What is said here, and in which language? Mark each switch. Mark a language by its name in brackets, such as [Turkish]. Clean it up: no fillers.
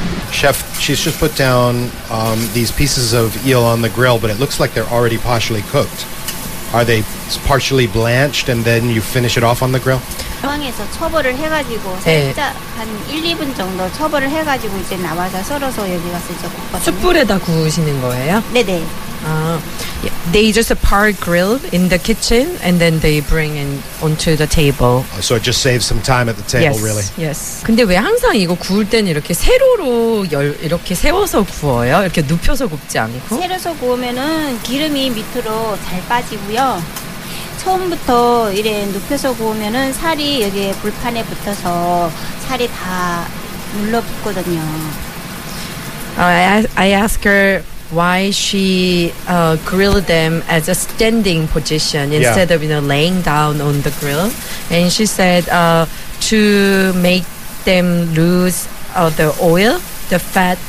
[English] Chef, she's just put down these pieces of eel on the grill, but it looks like they're already partially cooked. Are they partially blanched and then you finish it off on the grill? [Korean] 중앙에서 처벌을 해가지고 살짝 네. 한 1, 2분 정도 처벌을 해가지고 이제 나와서 썰어서 여기 가서 이제 굽거든요. 숯불에다 구우시는 거예요? 네네. [English] 아, they just part grill in the kitchen and then they bring in onto the table. So it just saves some time at the table, yes, really? Yes. [Korean] 근데 왜 항상 이거 구울 때는 이렇게 세로로 이렇게 세워서 구워요? 이렇게 눕혀서 굽지 않고? 세로서 구우면은 기름이 밑으로 잘 빠지고요. 처음부터 이래 눕혀서 구우면은 살이 여기에 불판에 붙어서 살이 다 눌러붙거든요. [English] I ask her why she grilled them as a standing position instead yeah. of, you know, laying down on the grill. And she said to make them lose the oil, the fat.